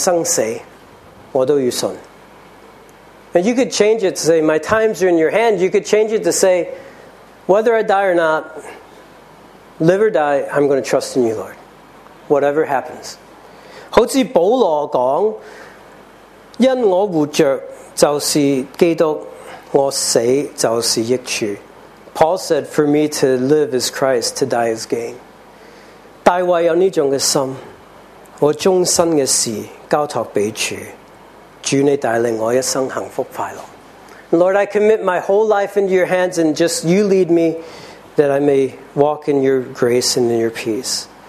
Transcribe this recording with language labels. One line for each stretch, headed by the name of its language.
Chinese: 你可以换句话，终身的事就是满生死，我都要信。
English: And you could change it to say, my times are in your hand. You could change it to say, whether I die or not, live or die, I'm going to trust in you, Lord. Whatever happens.
Chinese: 好像保罗讲，因我活着就是基督，我死就是益处。
English: Paul said, for me to live is Christ, to die is gain.
Chinese: 大卫有这种的心，我终身的事交托给主。
English: Lord, I commit my whole life into your hands and just you lead me that I may walk in your grace and in your peace.